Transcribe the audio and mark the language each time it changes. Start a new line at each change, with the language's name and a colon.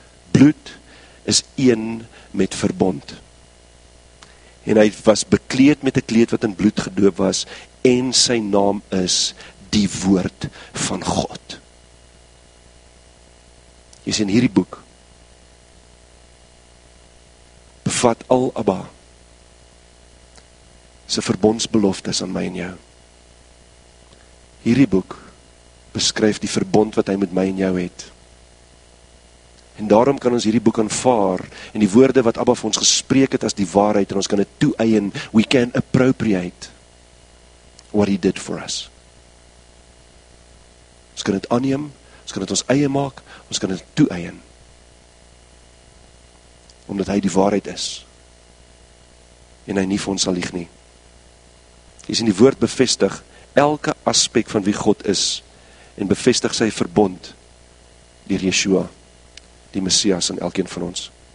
Afrikaans: Bloed is een met verbond. En hy was bekleed met 'n kleed wat in bloed gedoop was, en sy naam is die woord van God. Jy sien, hierdie boek bevat al Abba se verbondsbeloftes aan my en jou. Hierdie boek beskryf die verbond wat hy met my en jou het. En daarom kan ons hierdie boek aanvaar en die woorde wat Abba vir ons gespreek het as die waarheid, en ons kan dit toeëien.
English: We can appropriate what he did for us.
Afrikaans: Ons kan dit aanneem, ons kan dit ons eie maak, ons kan dit toeëien. Omdat hy die waarheid is. En hy nie vir ons sal lieg nie. Is in die woord bevestig elke aspek van wie God is en bevestig sy verbond deur Yeshua, die Messias aan elkeen van ons.